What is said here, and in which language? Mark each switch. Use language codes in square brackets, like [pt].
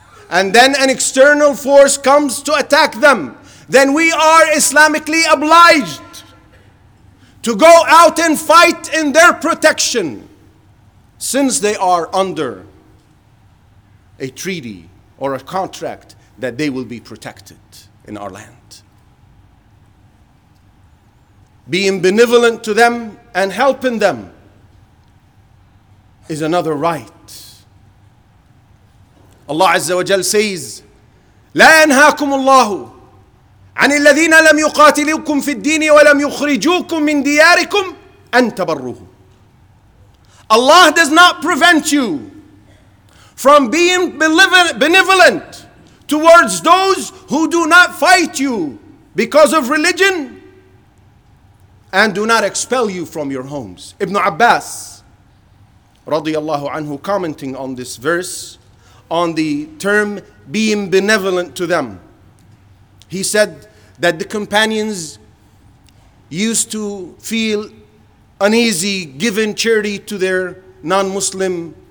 [en] and then an external force comes to attack them, then we are Islamically obliged to go out and fight in their protection, since they are under a treaty or a contract that they will be protected in our land. Being benevolent to them and helping them is another right. Allah Azza wa Jal says, [ar] لَا يَنْهَاكُمُ اللَّهُ عَنِ الَّذِينَ لَمْ يُقَاتِلُوكُمْ فِي الدِّينِ وَلَمْ يُخْرِجُوكُمْ مِنْ دِيَارِكُمْ أَنْ تَبَرُّهُ. [en] Allah does not prevent you from being benevolent towards those who do not fight you because of religion and do not expel you from your homes. Ibn Abbas radiyallahu anhu, commenting on this verse, on the term being benevolent to them, he said that the companions used to feel uneasy giving charity to their non-Muslim